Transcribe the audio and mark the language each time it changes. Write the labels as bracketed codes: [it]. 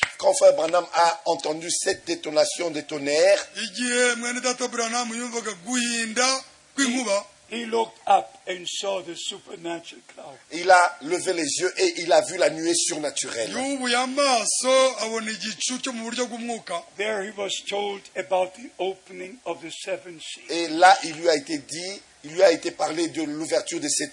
[fr] Quand Frère Branham a entendu cette détonation de tonnerre, [en] he looked up and saw the supernatural cloud. [fr] Il a levé les yeux et il a vu la nuée surnaturelle. [en] There he was told about the opening of the seven seals. [fr] Et là, il lui a été dit. Il lui a été parlé de l'ouverture de cette